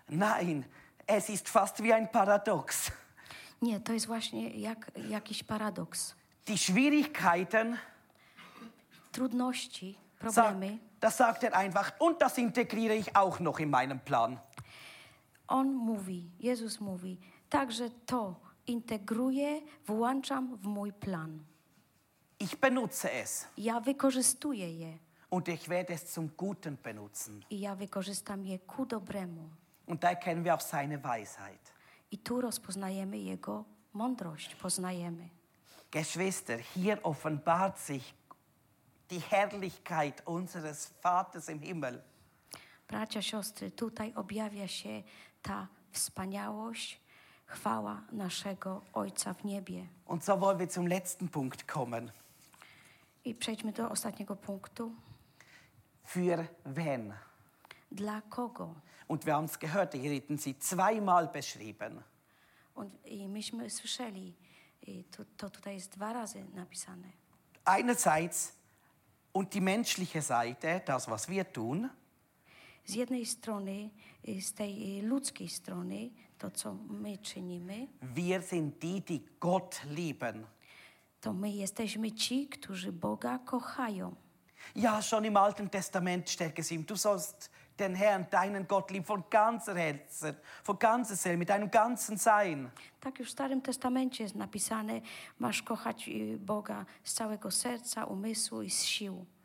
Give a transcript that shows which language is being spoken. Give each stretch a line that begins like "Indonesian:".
German: Nein, es ist fast wie ein Paradox.
Polish: Nie, to jest właśnie jak jakiś paradoks.
German: Die Schwierigkeiten,
Polish: trudności, problemy.
German: Das sagt er einfach und das integriere ich auch noch in meinen Plan.
Polish: On mówi, Jezus mówi, także to integruję, włączam w mój plan.
German: Ich benutze es.
Polish: Ja wykorzystuję je.
German: Und ich werde es zum Guten benutzen.
Polish: I ja wykorzystam je ku dobremu.
German: Und da erkennen wir auch seine Weisheit.
Polish: I tu rozpoznajemy jego mądrość, poznajemy.
German: Geschwister, hier offenbart sich die Herrlichkeit unseres Vaters im Himmel.
Polish: Bracia, siostry, tutaj objawia się ta wspaniałość, chwała naszego Ojca w niebie.
German: Und so wollen wir zum letzten Punkt kommen.
Polish: I przejdźmy do ostatniego punktu.
German: Für wen?
Polish: Dla kogo?
German: Und wir haben es gehört, hier hätten sie zweimal beschrieben.
Polish: Und i myśmy słyszeli, to tutaj jest dwa razy napisane.
German: Einerseits und die menschliche Seite, das was wir tun.
Polish: Z jednej strony, z tej ludzkiej strony, to co my czynimy.
German: Wir sind die, die Gott lieben.
Polish: To my jesteśmy ci, którzy Boga kochają.
German: Ja, schon im Alten Testament steht es ihm, du sollst den Herrn, deinen Gott lieben, von ganzem Herzen, von ganzer Seele, mit deinem ganzen Sein.
Polish: Tak już w Starym Testamencie jest napisane, masz kochać Boga z całego serca, umysłu i z sił.